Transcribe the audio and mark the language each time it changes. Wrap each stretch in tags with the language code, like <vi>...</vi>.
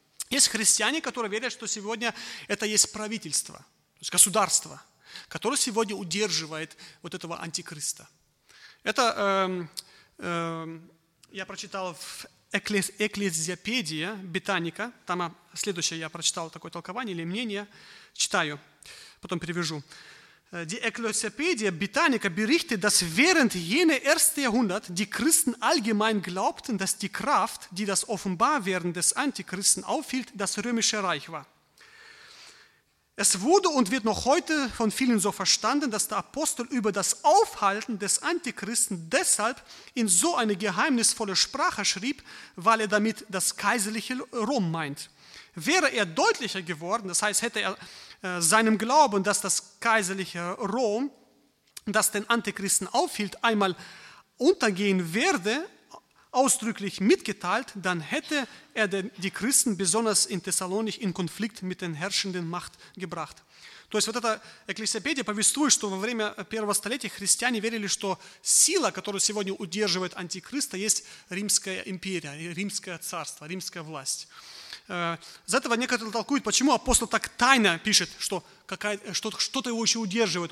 <ru>Есть христиане, которые верят, что сегодня это есть правительство, то есть государство, которое сегодня удерживает вот этого антихриста. Это я прочитал в Экклезиопедии Британика. Там следующее я прочитал такое толкование или мнение. Читаю, потом перевяжу.</ru> <de>Die Ekklesiopädie Britannica berichtet, dass während jene ersten Jahrhundert die Christen allgemein glaubten, dass die Kraft, die das Offenbarwerden des Antichristen aufhielt, das römische Reich war. Es wurde und wird noch heute von vielen so verstanden, dass der Apostel über das Aufhalten des Antichristen deshalb in so eine geheimnisvolle Sprache schrieb, weil er damit das kaiserliche Rom meint. Wäre er deutlicher geworden, das heißt, hätte er seinem Glauben, dass das kaiserliche Rom, das den Antichristen aufhielt, einmal untergehen werde, ausdrücklich mitgeteilt, dann hätte er die Christen besonders in Thessalonich in Konflikt mit den herrschenden Macht gebracht.</de> <ru>То есть вот эта экклесиопедия повествует, что во время первого столетия христиане верили, что сила, которую сегодня удерживает антихриста, есть Римская империя, Римское царство, Римская власть. За этого некоторые толкуют, почему апостол так тайно пишет, что что-то его еще удерживает.</ru>